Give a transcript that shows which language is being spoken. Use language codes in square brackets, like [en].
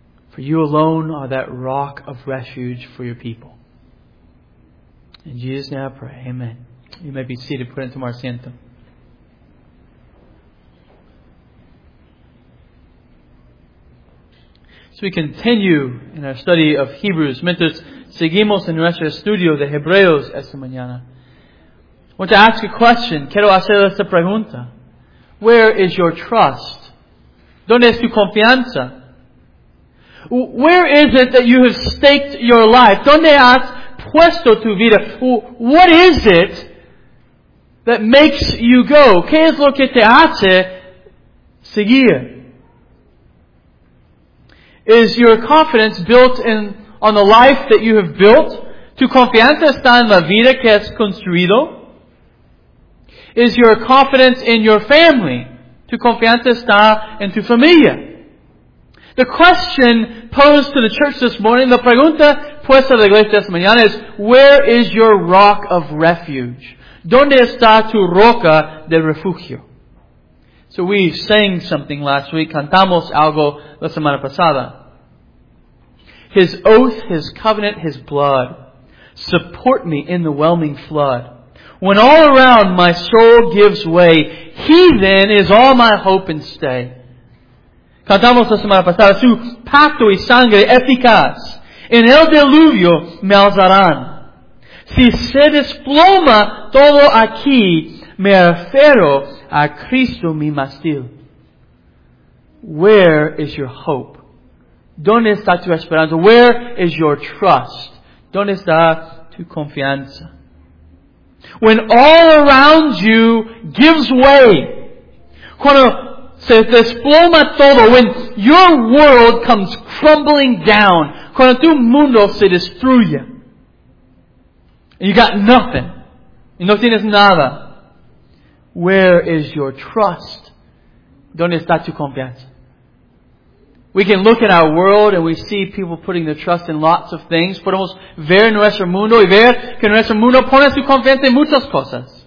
[en] For you alone are that rock of refuge for your people. In Jesus' name I pray. Amen. You may be seated. Put into our asiento. So we continue in our study of Hebrews. [es] Mientras seguimos en nuestro estudio de Hebreos esta mañana. [en] I want to ask a question. [es] Quiero hacer esta pregunta. [en] Where is your trust? [es] ¿Dónde es tu confianza? [en] Where is it that you have staked your life? [es] ¿Dónde has puesto tu vida? [en] What is it that makes you go? [es] ¿Qué es lo que te hace seguir? [en] Is your confidence built on the life that you have built? [es] ¿Tu confianza está en la vida que has construido? [en] Is your confidence in your family? [es] ¿Tu confianza está en tu familia? [en] The question posed to the church this morning, [es] la pregunta puesta a la iglesia esta mañana es, [en] where is your rock of refuge? [es] ¿Dónde está tu roca de refugio? [en] So we sang something last week, [es] cantamos algo la semana pasada. [en] His oath, his covenant, his blood, support me in the whelming flood. When all around my soul gives way, he then is all my hope and stay. [es] Cantamos la semana pasada, su pacto y sangre eficaz. En el diluvio me alzarán. Si se desploma todo aquí, me aferro a Cristo mi mástil. [en] Where is your hope? [es] ¿Dónde está tu esperanza? [en] Where is your trust? [es] ¿Dónde está tu confianza? [en] When all around you gives way, [es] cuando se desploma todo, [en] when your world comes crumbling down, [es] cuando tu mundo se destruye, [en] and you got nothing, [es] y no tienes nada, [en] where is your trust? [es] ¿Dónde está tu confianza? [en] We can look at our world and we see people putting their trust in lots of things. [es] Podemos ver nuestro mundo y ver que nuestro mundo pone su confianza en muchas cosas.